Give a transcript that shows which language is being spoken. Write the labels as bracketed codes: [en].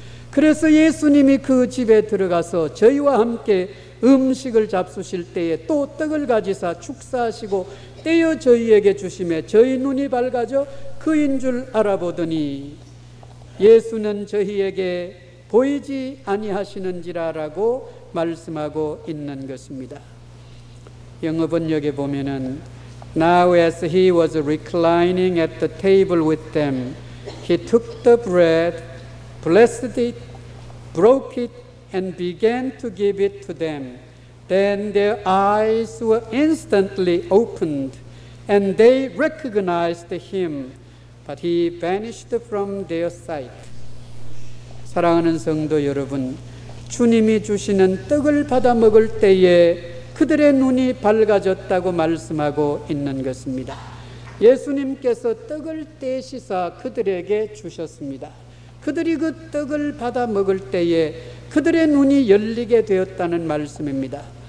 [ko] 그래서 예수님이 그 집에 들어가서 저희와 함께 음식을 잡수실 때에 또 떡을 가지사 축사하시고 떼어 저희에게 주심에 저희 눈이 밝아져 그인 줄 알아보더니 예수는 저희에게 보이지 아니하시는지라라고 말씀하고 있는 것입니다. 영어 번역에 보면은 [en] Now as he was reclining at the table with them, he took the bread, blessed it, broke it, and began to give it to them. Then their eyes were instantly opened, and they recognized him, but he vanished from their sight. [ko] 사랑하는 성도 여러분, 주님이 주시는 떡을 받아 먹을 때에 그들의 눈이 밝아졌다고 말씀하고 있는 것입니다. 예수님께서 떡을 떼시사 그들에게 주셨습니다. 그들이 그 떡을 받아 먹을 때에 그들의 눈이 열리게 되었다는 말씀입니다.